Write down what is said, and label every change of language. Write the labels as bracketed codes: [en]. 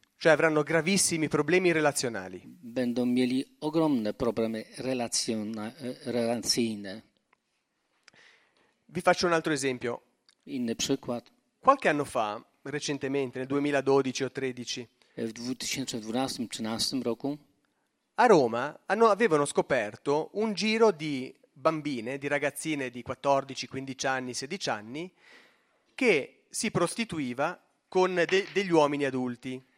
[it] Cioè avranno gravissimi problemi relazionali. [pl] Będą mieli ogromne problemy relacyjne. [it] Vi faccio un altro esempio. [pl] Inny przykład. [it] Qualche anno fa, recentemente, nel 2012 o 13. [pl] W 2012 13 roku. [it] A Roma avevano scoperto un giro di bambine, di ragazzine di 14, 15 anni, 16 anni, che si prostituiva con degli uomini adulti.